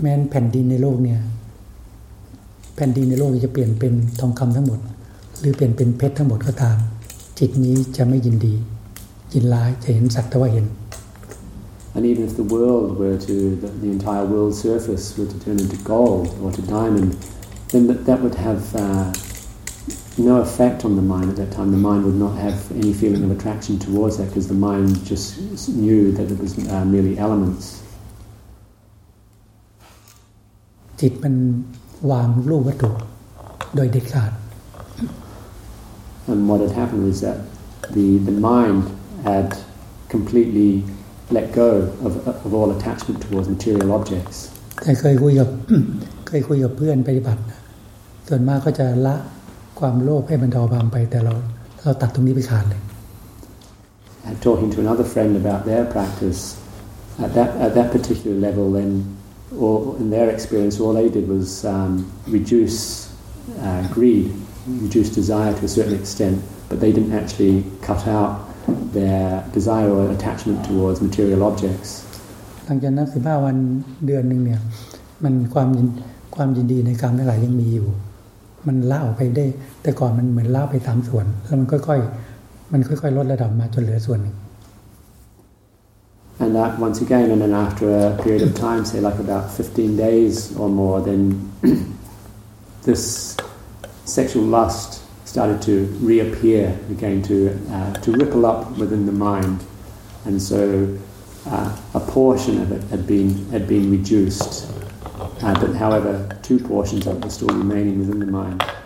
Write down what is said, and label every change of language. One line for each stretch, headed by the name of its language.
Thai: แผ่นดินในโลกเนี่ยแผ่นดินในโลกจะเปลี่ยนเป็นทองคำทั้งหมดหรือเปลี่ยนเป็นเพชรทั้งหมดก็ตามจิตนี้จะไม่ยินดียินร้ายจะเห็นสักแต่ว่าเห็น
English: And even if the world were to the entire world surface were to turn into gold or to diamond, then that would have no effect on the mind at that time. The mind would not have any feeling of attraction towards that because the mind just knew that it was merely elements.
Thai: จิตมันวางรูปวัตถุโดยเด็ดขาด
English: And what had happened was that the mind had completely let go of all attachment towards material objects.
Thai: แต่เคยคุยกับเพื่อนปฏิบัติส่วนมากก็จะละความโลภให้มันเบาบางไปแต่เราตัดตรงนี้ไปขาดเลย
English: I'm talking to another friend about their practice at that particular level then or in their experience all they did was reduce greed reduce desire to a certain extent but they didn't actually cut out their desire or attachment towards material objects
Thai: หลังจากนั้น15วันเดือนนึงเนี่ยมันความยินดีในกามทั้งหลายยังมีอยู่มันเล่าไปได้แต่ก่อนมันเหมือนเล่าไปตามส่วนแล้วมันค่อยๆลดระดับมาจนเหลือส่วนหนึ่ง
English: And that once again, and then after a period of time, say like about 15 days or more, then this sexual lust started to reappear again, to ripple up within the mind. And so a portion of it had been reduced, but however, two portions of it were still remaining within the mind.